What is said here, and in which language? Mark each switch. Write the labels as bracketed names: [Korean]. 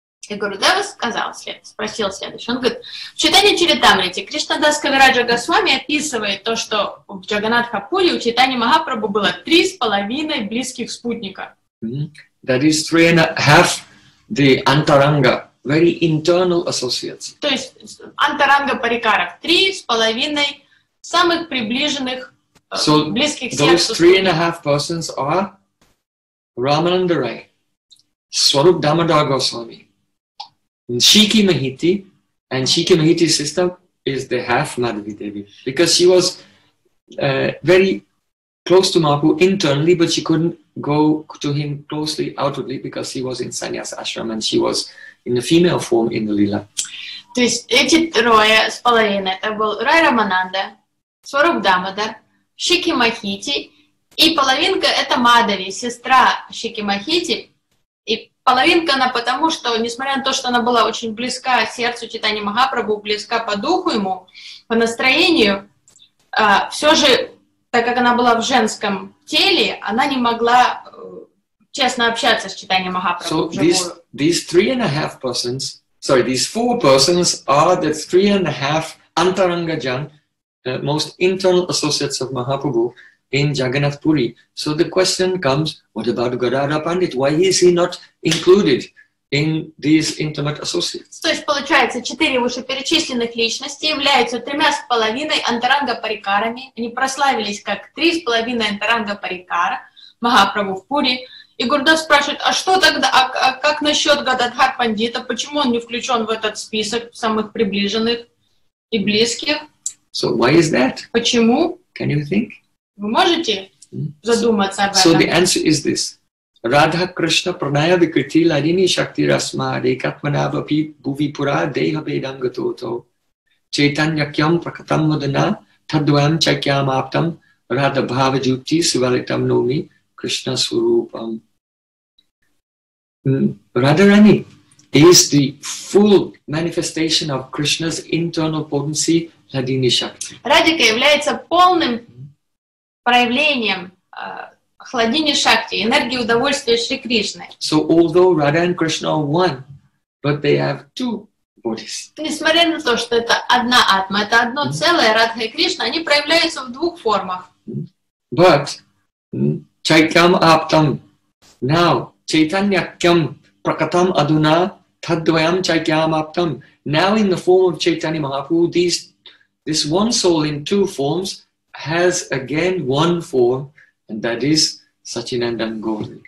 [Russian] И Гурудева сказал спросил следующее. Он говорит, в Чайтанья Чаритамрите Кришнадас Кавираджа Госвами описывает то, что в Джаганатхапури у Чайтаньи Махапрабху было 3.5 близких спутника. [English] That is 3.5 the антаранга, very internal associates. [Russian] То есть антаранга парикаров, 3.5 самых приближенных [English] so [Russian] близких сердцу. [English] Those 3.5 persons are Ramananda Rai, Swarup Damodar Goswami, Shiki Mahiti, and Shiki Mahiti's sister is the half Madhavi Devi, because she was very close to Mahaprabhu internally, but she couldn't go to him closely outwardly because he was in Sannyasa Ashram and she was in the female form in the Lila. [Russian] То есть эти трое с половиной, это был Рай Рамананда, Сваруп Дамодар, Шики Махити, и половинка это Мадави, сестра Шики Махити. И половинка она потому, что, несмотря на то, что она была очень близка сердцу Чайтаньи Махапрабху, близка по духу ему, по настроению, все же, так как она была в женском теле, она не могла честно общаться с Чайтаньей Махапрабху. [English] So these three and a half persons, sorry, these four persons are the three and a half antaranga jan, most internal associates of Mahaprabhu in Jagannath Puri. So the question comes, what about Gadadhara Pandit? Why is he not included in these intimate associates? [Russian] То есть получается, четыре вышеперечисленных личности являются тремя с половиной антаранга парикарами. Они прославились как три с половиной антаранга парикара Махапрабху в Пури. И Гурдев спрашивает, а что тогда, а как насчет Гададхар Пандита? Почему он не включен в этот список самых приближенных и близких? [English] So why is that? [Russian] Почему? [English] Can you think? [Russian] Вы можете задуматься об этом? [Sanskrit] So the answer is this. Radha Krishna Pranaya Vikriti Ladini Shakti Rasma Dekatmanava Pi Bhuvi Pura Deha Vedam Gatoto Chaitanya Kyam Prakatam Madana Tadvam Chakyam Aptam Radha Bhava Jyoti Sivalitam Nomi Krishna Swarupam. [English] Radharani is the full manifestation of Krishna's internal potency, Ladini Shakti. [Russian] Radhika является полным проявлением Хладини Шакти, энергии удовольствия Шри Кришны. [English] So although Radha and Krishna are one, but they have two bodies. [Russian] Несмотря на то, что это одна атма, это одно целое, Радха и Кришна, они проявляются в двух формах. [English] But [Sanskrit] Chaityam Aptam, [English] now [Sanskrit] Chaitanya Kyam Prakatam Aduna Tadvayam Chaityam Aptam, [English] now in the form of Chaitanya Mahaprabhu, this one soul in two forms has again one form, and that is Sachinandan Gauri.